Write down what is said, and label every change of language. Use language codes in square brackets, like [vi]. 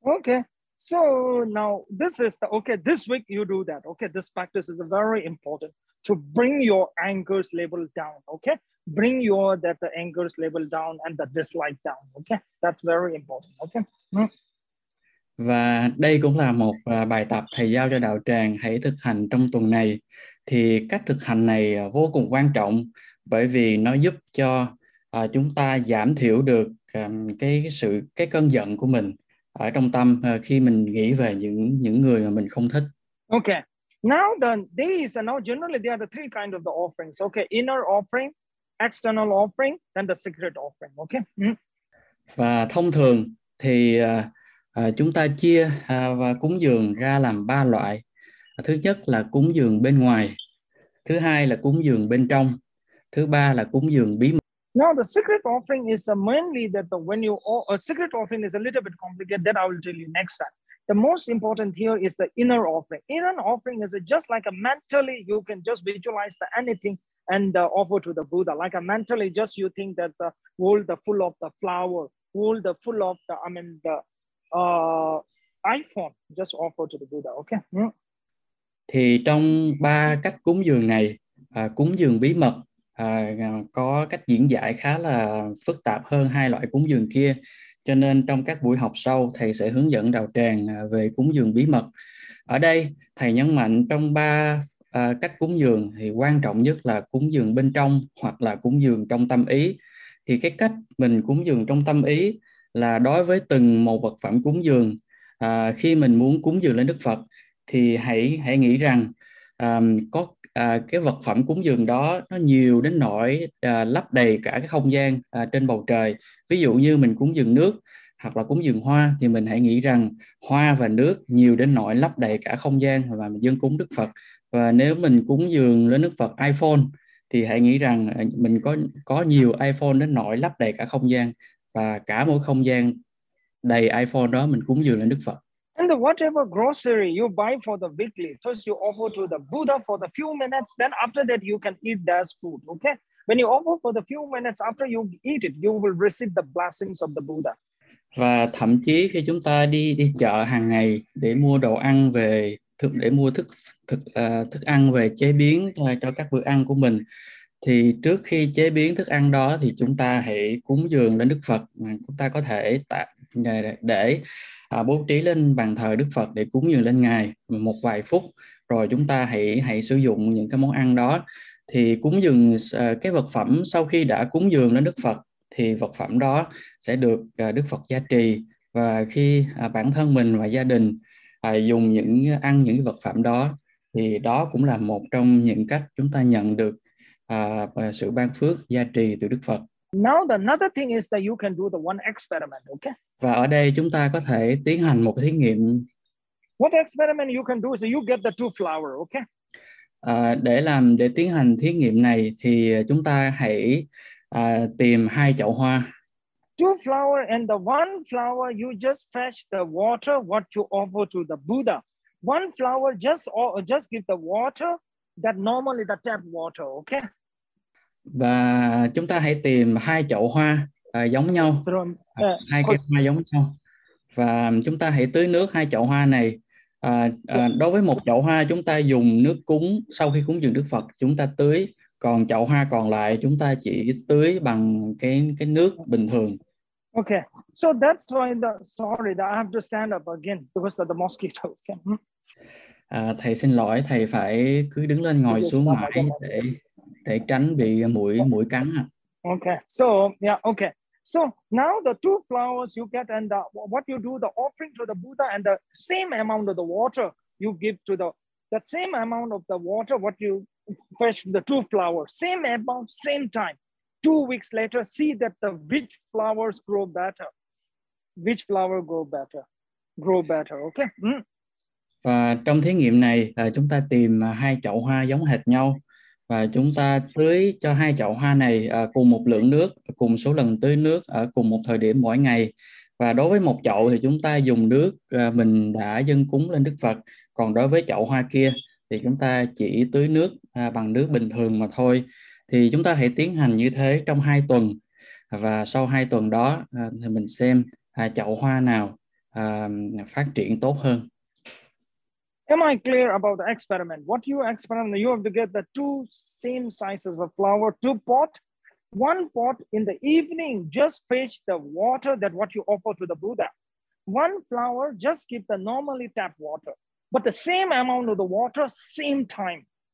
[en] Okay, so now this is the, okay, this week you do that. Okay, this practice is very important to bring your anger's level down. Okay, bring your that the anger's level down and the dislike down. Okay, that's very important. Okay. [vi] Và đây cũng là một bài tập thầy giao cho đạo tràng hãy thực hành trong tuần này. Thì cách thực hành này vô cùng quan trọng bởi vì nó giúp cho chúng ta giảm thiểu được cái cơn giận của mình ở trong tâm khi mình nghĩ về những người mà mình không thích. [en] Okay. Now then there is now generally there are the three kinds of the offerings. Okay, inner offering, external offering, then the secret offering. Okay. [vi] Và thông thường thì chúng ta chia và cúng dường ra làm ba loại. Thứ nhất là cúng dường bên ngoài. Thứ hai là cúng dường bên trong. Thứ ba là cúng dường bí mật. [en] Now the secret offering is mainly that the when you a secret offering is a little bit complicated that I will tell you next time. The most important here is the inner offering. Inner offering is just like a mentally you can just visualize the anything and offer to the Buddha. Like a mentally just you think that the world the full of the flower, world the full of the I mean the iPhone, just offer to the Buddha. Okay. [vi] Thì trong ba cách cúng dường này, cúng dường bí mật có cách diễn giải khá là phức tạp hơn hai loại cúng dường kia. Cho nên trong các buổi học sau, thầy sẽ hướng dẫn đạo tràng về cúng dường bí mật. Ở đây, thầy nhấn mạnh trong ba cách cúng dường thì quan trọng nhất là cúng dường bên trong hoặc là cúng dường trong tâm ý. Thì cái cách mình cúng dường trong tâm ý là đối với từng một vật phẩm cúng dường, khi mình muốn cúng dường lên Đức Phật thì hãy nghĩ rằng có cái vật phẩm cúng dường đó nó nhiều đến nỗi lấp đầy cả cái không gian trên bầu trời. Ví dụ như mình cúng dường nước hoặc là cúng dường hoa thì mình hãy nghĩ rằng hoa và nước nhiều đến nỗi lấp đầy cả không gian và mình dâng cúng Đức Phật. Và nếu mình cúng dường lên Đức Phật iPhone thì hãy nghĩ rằng mình có nhiều iPhone đến nỗi lấp đầy cả không gian và cả mỗi không gian đầy iPhone đó mình cúng dường lên Đức Phật. [en] And the whatever grocery you buy for the weekly, first you offer to the Buddha for the few minutes, then after that you can eat that food, okay? When you offer for the few minutes after you eat it, you will receive the blessings of the Buddha. [vi] Và thậm chí khi chúng ta đi chợ hàng ngày để mua đồ ăn về, để mua thức ăn về chế biến cho các bữa ăn của mình, thì trước khi chế biến thức ăn đó thì chúng ta hãy cúng dường lên Đức Phật. Chúng ta có thể để bố trí lên bàn thờ Đức Phật để cúng dường lên Ngài một vài phút, rồi chúng ta hãy sử dụng những cái món ăn đó. Thì cúng dường cái vật phẩm sau khi đã cúng dường lên Đức Phật thì vật phẩm đó sẽ được Đức Phật gia trì, và khi bản thân mình và gia đình dùng những ăn những cái vật phẩm đó thì đó cũng là một trong những cách chúng ta nhận được sự ban phước gia trì từ Đức Phật. [en] Now the another thing is that you can do the one experiment, okay? [vi] Và ở đây chúng ta có thể tiến hành một thí nghiệm. [en] What experiment you can do is that you get the two flower, okay? [vi] Để tiến hành thí nghiệm này thì chúng ta hãy tìm hai chậu hoa. [en] Two flower and the one flower you just fetch the water what you offer to the Buddha. One flower just give the water that normally the tap water, okay? [vi] Và chúng ta hãy tìm hai chậu hoa giống nhau, hai cái hoa giống nhau. Và chúng ta hãy tưới nước hai chậu hoa này. Đối với một chậu hoa chúng ta dùng nước cúng sau khi cúng dường Đức Phật chúng ta tưới, còn chậu hoa còn lại chúng ta chỉ tưới bằng cái nước bình thường. [en] Okay, so that's why I have to stand up again because of the mosquito. Okay. [vi] Thầy xin lỗi, thầy phải cứ đứng lên ngồi xuống mãi để tránh bị muỗi cắn à. [en] Okay, so yeah, okay. So now the two flowers you get and the, what you do, the offering to the Buddha and the same amount of the water you give to the, that same amount of the water what you fetch from the two flowers, same amount, same time. 2 weeks later, see that the which flowers grow better. Which flower grow better, okay? Mm. [vi] Và trong thí nghiệm này, chúng ta tìm hai chậu hoa giống hệt nhau. Và chúng ta tưới cho hai chậu hoa này cùng một lượng nước, cùng số lần tưới nước ở cùng một thời điểm mỗi ngày. Và đối với một chậu thì chúng ta dùng nước mình đã dâng cúng lên Đức Phật. Còn đối với chậu hoa kia thì chúng ta chỉ tưới nước bằng nước bình thường mà thôi. Thì chúng ta hãy tiến hành như thế trong 2 tuần. Và sau 2 tuần đó thì mình xem chậu hoa nào phát triển tốt hơn. [en] Am I clear about the experiment? What you experiment, you have to get the two same sizes of flower, two pot. One pot in the evening, just fetch the water that what you offer to the Buddha. One flower, just keep the normally tap water. But the same amount of the water, same time.